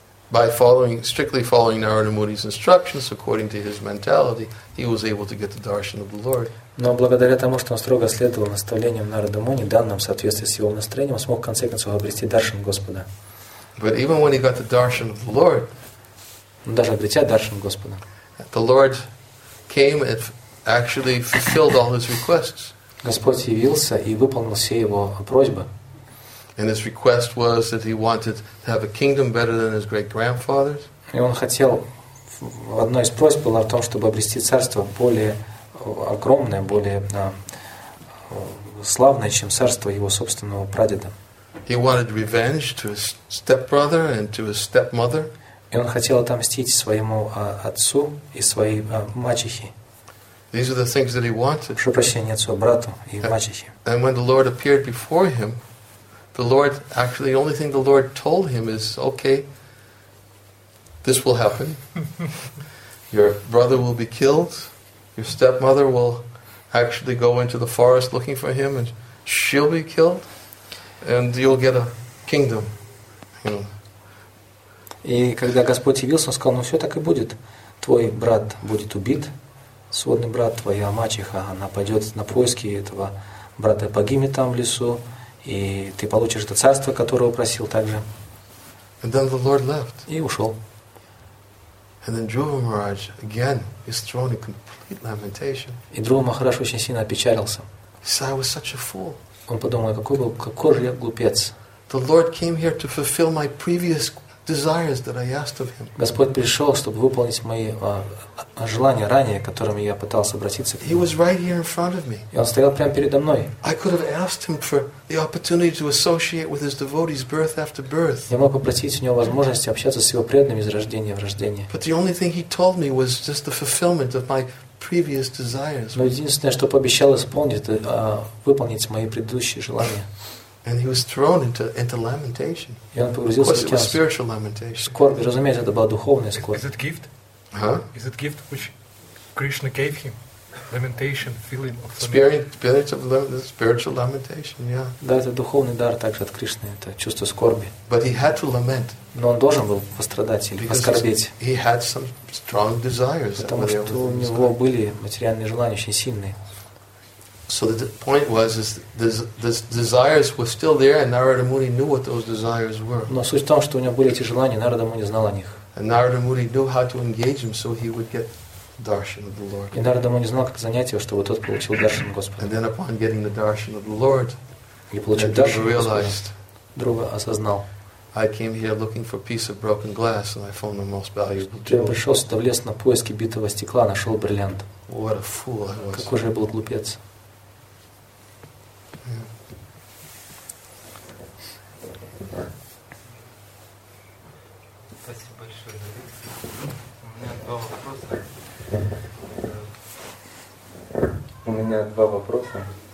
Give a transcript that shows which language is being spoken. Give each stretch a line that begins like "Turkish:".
English: By strictly following Narada Muni's instructions according to his mentality, he was able to get the darshan of the Lord.
Russian: Но благодаря тому, что он строго следовал наставлениям Нарада Муни, данным в соответствии с его настроением, он смог в конце концов обрести даршан Господа.
English: But even when he got the darshan of the Lord,
Russian: даже обретя даршан Господа,
English: the Lord came and actually fulfilled all his requests.
Russian: Господь явился и выполнил все его просьбы.
English: And his request was that he wanted to have a kingdom better than his great-grandfather's.
Russian: И он хотел, одной из просьб была в том, чтобы обрести царство более огромное, более славное, чем царство его собственного прадеда.
English: He wanted revenge to his stepbrother and to his stepmother.
Russian: И он хотел отомстить своему отцу и своей мачехе.
English: These are the things that he wanted.
Russian: Прошу прощения, отцу, брату и мачехе.
English: And when the Lord appeared before him, the only thing the Lord told him is, okay, this will happen. Your brother will be killed. Your stepmother will actually go into the forest looking for him, and she'll be killed. And you'll get a kingdom. You know.
Russian: И когда Господь явился, он сказал, ну все так и будет. Твой брат будет убит, сводный брат, твоя мачеха, она пойдет на поиски этого брата, погибнет там в лесу. и ты получишь то царство, которого просил также.
English: And then the Lord left.
Russian: И ушел.
English: And then Dhruva Maharaj again is thrown in complete lamentation.
Russian: И Друва Махарадж очень сильно опечалился.
English: He said, I was such a fool.
Russian: Он подумал, какой же я глупец.
English: The Lord came here to fulfill my previous desires that I asked of Him.
Russian: Господь пришел, чтобы выполнить мои желания ранее, которыми я пытался обратиться к Нему.
English: He was right here in front of me.
Russian: И он стоял прямо передо мной.
English: I could have asked Him for the opportunity to associate with His devotees birth after birth.
Russian: Я мог попросить у него возможности общаться с его преданными из рождения в рождение.
English: But the only thing He told me was just the fulfillment of my previous desires.
Russian: Но единственное, что пообещал исполнить, выполнить мои предыдущие желания.
English: And he was thrown into lamentation. Of course, it was spiritual lamentation.
Russian: Скорбь, разумеется, это была духовная скорбь.
English: Is it gift? Huh? Is it gift which Krishna gave him? Lamentation, feeling of spiritual lamentation. Yeah.
Russian: Да, это духовный дар также от Кришны, это чувство скорби.
English: But he had to lament.
Russian: Но он должен был пострадать или поскорбеть.
English: He had some strong desires.
Russian: Потому что у него были материальные желания очень сильные.
English: So the point was, is the desires were still there, and Narada Muni knew what those desires were.
Russian: Но суть в том, что у него были эти желания, Нарада Муни знал о них.
English: And Narada Muni knew how to engage him, so he would get darshan of the Lord.
Russian: И Нарада Муни знал, как занять его, чтобы тот получил даршан Господа.
English: And then upon getting the darshan of the Lord,
Russian: и получив даршан Господа, Друга осознал.
English: I came here looking for piece of broken glass, and I found the most valuable jewel.
Russian: Я пришел сюда в лес на поиски битого стекла, нашел бриллиант.
English: What a fool I was!
Russian: Какой же я был глупец! Спасибо большое за лекцию. У меня два вопроса.